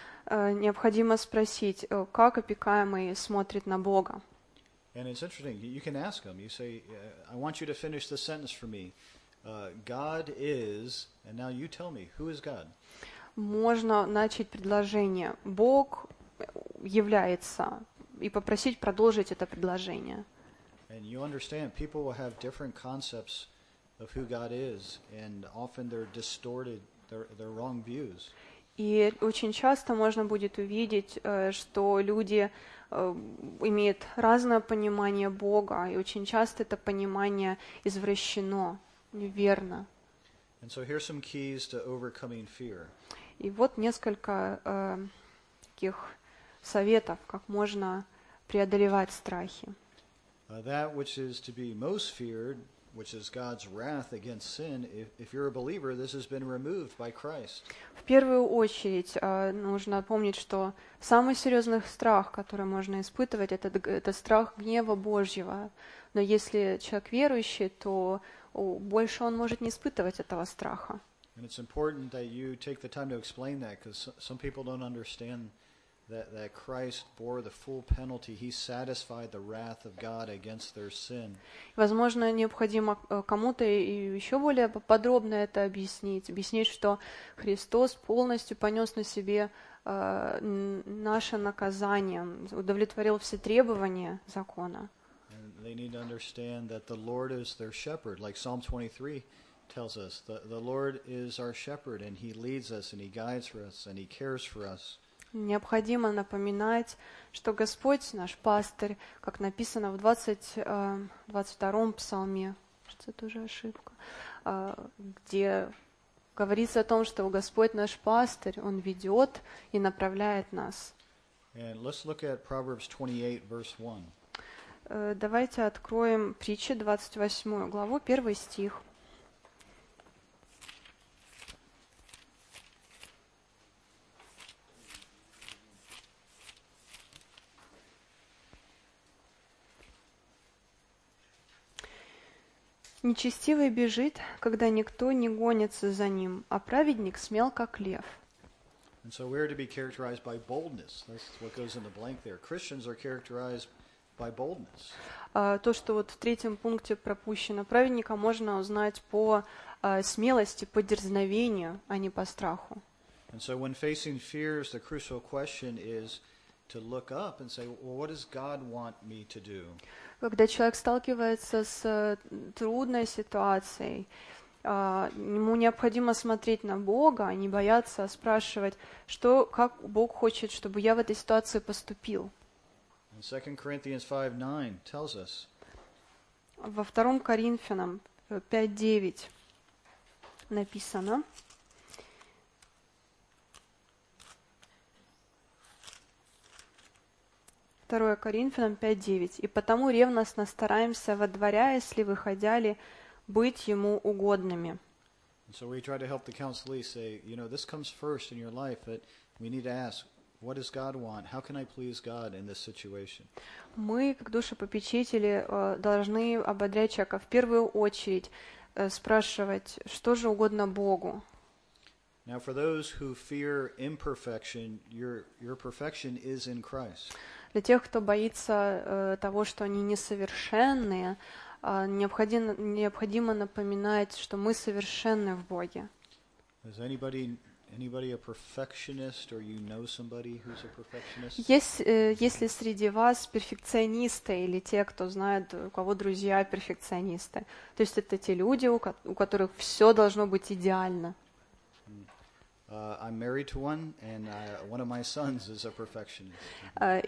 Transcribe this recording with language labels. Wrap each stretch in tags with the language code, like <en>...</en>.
<ru>Необходимо спросить, как опекаемый смотрит на Бога.</ru> <en>And it's interesting. You can ask him. You say, I want you to finish the sentence for me. God is, and now you tell me, who is God?</en> <ru>Можно начать предложение. Бог является. И попросить продолжить это предложение.</ru> <en>And you understand, people will have different concepts of who God is, and often they're distorted, they're wrong views.</en> <ru>И очень часто можно будет увидеть, что люди имеют разное понимание Бога, и очень часто это понимание извращено, неверно.</ru> <en>And so here's some keys to overcoming fear.</en> <ru>И вот несколько таких советов, как можно преодолевать страхи.</ru> <en>That which is to be most feared, which is God's wrath against sin, if you're a believer, this has been removed by Christ.</en> <ru>В первую очередь нужно помнить, что самый серьезный страх, который можно испытывать, это страх гнева Божьего. Но если человек верующий, то больше он может не испытывать этого страха.</ru> <en>And it's important that you take the time to explain that, because some people don't understand that Christ bore the full penalty. He satisfied the wrath of God against their sin.</en> <ru>Возможно, необходимо кому-то еще более подробно это объяснить, что Христос полностью понес на себе наше наказание, удовлетворил все требования закона.</ru> <en>And they need to understand that the Lord is their shepherd, like Psalm 23 tells us. The Lord is our shepherd, and He leads us, and He guides for us, and He cares for us.</en> <ru>Необходимо напоминать, что Господь наш пастырь, как написано в 22-м псалме, что это уже ошибка, где говорится о том, что Господь наш пастырь, Он ведет и направляет нас.</ru> <en>And let's look at Proverbs 28, verse 1.</en> <ru>Давайте откроем притчи 28 главу, 1 стих. Нечестивый бежит, когда никто не гонится за ним, а праведник смел, как лев.</ru> <en>And so we are to be characterized by boldness. That's what goes in the blank there. Christians are characterized by boldness.</en> <ru>То, что вот в третьем пункте пропущено, праведника можно узнать по смелости, по дерзновению, а не по страху.</ru> <en>And so when facing fears, the crucial question is to look up and say, well, what does God want me to do?</en> <ru>Когда человек сталкивается с трудной ситуацией, ему необходимо смотреть на Бога, а не бояться спрашивать, что, как Бог хочет, чтобы я в этой ситуации поступил.</ru> <en>And 2 Corinthians 5:9 tells us.</en> <ru>Во 2 Коринфянам 5:9 написано. Второе Коринфянам 5:9. «И потому ревностно стараемся, водворяясь ли, выходя ли, быть ему угодными.</ru> <en>So we try to help the counselee say, you know, this comes first in your life, but we need to ask, what does God want? How can I please God in this situation?</en> <ru>Мы, как душепопечители, должны ободрять человека в первую очередь спрашивать, что же угодно Богу.</ru> <en>Now for those who fear imperfection, your perfection is in Christ.</en> <ru>Для тех, кто боится того, что они несовершенные, необходимо напоминать, что мы совершенны в Боге.</ru> <en>Is anybody a perfectionist, or you know somebody who's a perfectionist?</en> <ru>Есть ли среди вас перфекционисты или те, кто знает, у кого друзья перфекционисты? То есть это те люди, у которых все должно быть идеально.</ru> <en>I'm married to one, and one of my sons is a perfectionist.</en>